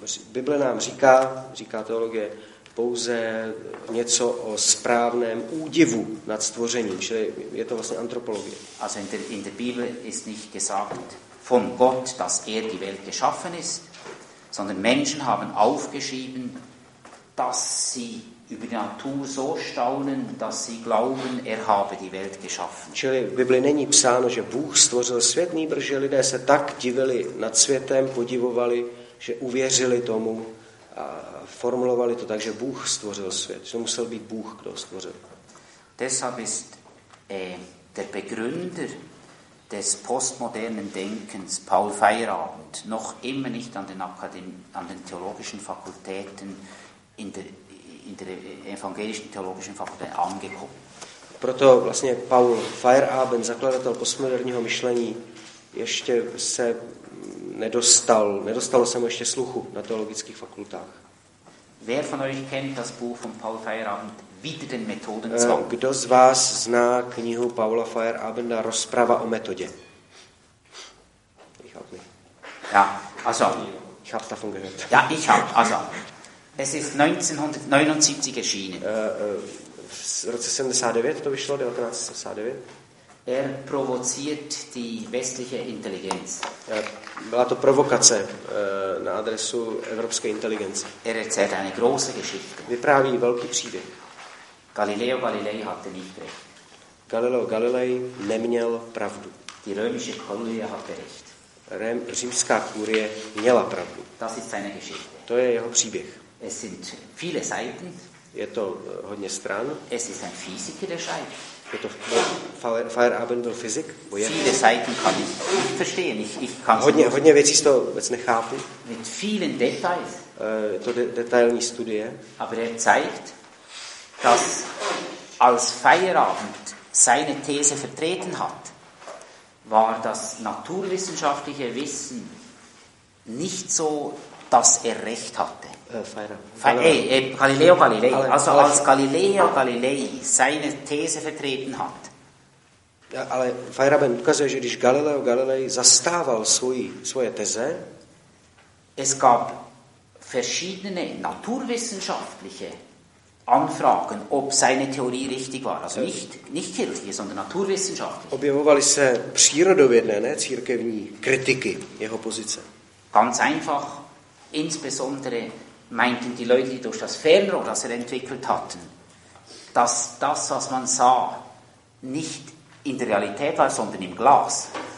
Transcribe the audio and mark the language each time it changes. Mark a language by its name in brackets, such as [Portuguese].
[Czech] Bible nám říká teologie, pouze něco o správném údivu nad stvořením, čili je to vlastně antropologie. [German] Also in der Bibel ist nicht gesagt von Gott, dass er die Welt geschaffen ist, sondern Menschen haben aufgeschrieben, dass sie über die Natur so staunen, dass sie glauben, er habe die Welt geschaffen. [Czech] Čili v Bibli není psáno, že Bůh stvořil svět, nýbrž lidé se tak divili nad světem, podivovali, že uvěřili tomu a formulovali to tak, že Bůh stvořil svět. To musel být Bůh, kdo stvořil. [German] Deshalb ist der Begründer des postmodernen Denkens Paul Feyerabend noch immer nicht an den theologischen Fakultäten in der evangelischen theologischen Fakultät angekommen. [Czech] Proto vlastně Paul Feyerabend, zakladatel postmoderního myšlení, ještě se nedostalo se mu ještě sluchu na teologických fakultách. [German] Wer von euch kennt das Buch von Paul Feyerabend wider den Methodenzwang? [Czech] Kdo z vás zná knihu Paula Feyerabenda Rozprava o metodě? [German] Ich hab nicht. Ja, also. Ich hab davon gehört. Ja, ich hab, also. Es ist 1979 erschienen. [Czech] V roce 79 to vyšlo, 1979. [German] Er provoziert die westliche Intelligenz. [Czech] Byla to provokace na adresu evropské inteligence. [German] Er erzählt eine große Geschichte. [Czech] Vypráví velký příběh. [German] Galileo Galilei hatte nicht recht. [Czech] Galileo Galilei neměl pravdu. [German] Die römische Kurie hatte recht. [Czech] Římská kurie měla pravdu. [German] Das ist seine Geschichte. [Czech] To je jeho příběh. [German] Es sind viele Seiten. [Czech] Je to hodně stran. [German] Es ist ein Physiker, der schreibt. [Czech] Je to Feyerabend byl fyzik? [German] Viele Seiten kann ich verstehen. Ich kann [Czech] hodně věcí z toho vůbec nechápu. [German] Mit vielen Details. [Czech] To detailní studie. [German] Aber er zeigt, dass als Feyerabend seine These vertreten hat, war das naturwissenschaftliche Wissen nicht so, dass er recht hatte. Galileo Galilei, also als Galileo Galilei seine These vertreten hat. [Czech] Ale Feyerabend ukazuje, že když Galileo Galilei zastával svoje teze, [German] es gab verschiedene naturwissenschaftliche Anfragen, ob seine Theorie richtig war, also nicht kirchliche, sondern naturwissenschaftliche. [Czech] Objevovaly se přírodovědné, ne církevní kritiky jeho pozice. [German] Ganz einfach, insbesondere meinten die Leute, die durch das Fernrohr, das entwickelt hatten, dass das, was man sah, nicht in der Realität war, sondern im Glas.